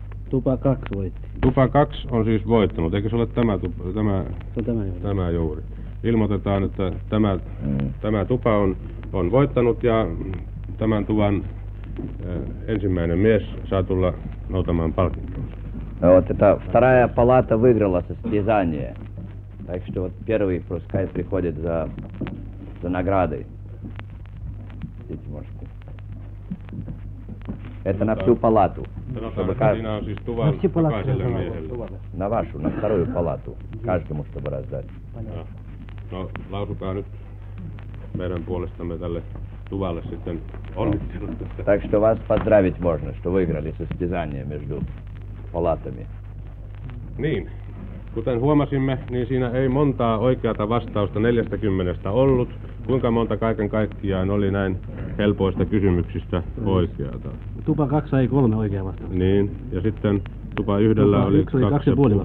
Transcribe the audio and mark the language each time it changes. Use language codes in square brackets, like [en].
[fi] Tupa 2 voitti. Tupa 2 on siis voittanut, eikö se ole tämä, se on tämä juuri? Tämä juuri. Ilmoitetaan, että tämä tupa on voittanut ja tämän tuvan ensimmäinen mies saa tulla noutamaan palkintoa. [ru] Вот эта вторая палата выиграла состязание. Так что вот первый пускай приходит за наградой. Здесь можете. Это на всю палату. Чтобы каждый на всю палату. На вашу, на вторую палату. Каждому, чтобы раздать. [fi] No, lausukaa nyt meidän puolestamme tälle tuvalle sitten onnittelut. [ru] Так что вас поздравить можно, что выиграли состязание между палатами. [fi] Niin, kuten huomasimme, niin siinä ei montaa oikeata vastausta 40 ollut. Kuinka monta kaiken kaikkiaan oli näin helpoista kysymyksistä oikeata? Tupa 2 ei 3 oikeaa vastausta. Niin, ja sitten tupa 1 oli 2,5 vastausta.